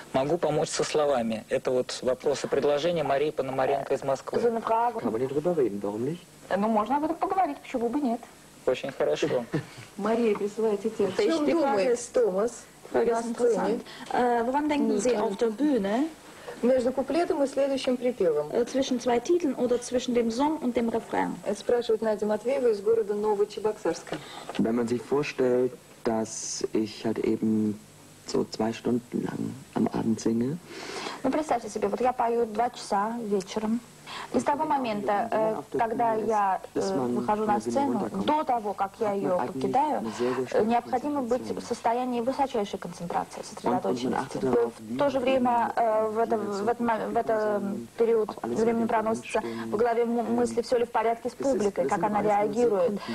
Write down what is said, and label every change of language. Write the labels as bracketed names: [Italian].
[Russian] Могу помочь со словами. Это вот вопрос и предложение Марии Пономаренко из Москвы. Ну, можно об этом поговорить, почему бы нет? Очень хорошо. Мария, присылайте текст. О чем думает Томас? Вам думаете о сцене? Между куплетом и следующим припевом. [German] Zwischen zwei Titeln oder zwischen dem Song und dem Refrain. [Russian] Это спрашивает Надя Матвеева из города Новочебоксарска. [German] Wenn man sich vorstellt, dass ich halt eben so zwei Stunden lang am Abend singe. [Russian] Ну, представьте себе, вот я пою 2 часа вечером. И с того момента, когда я выхожу на сцену, до того, как я ее покидаю, необходимо быть в состоянии высочайшей концентрации, сосредоточенности. В то же время, в этот период времени проносится в голове мысли, все ли в порядке с публикой, как она реагирует.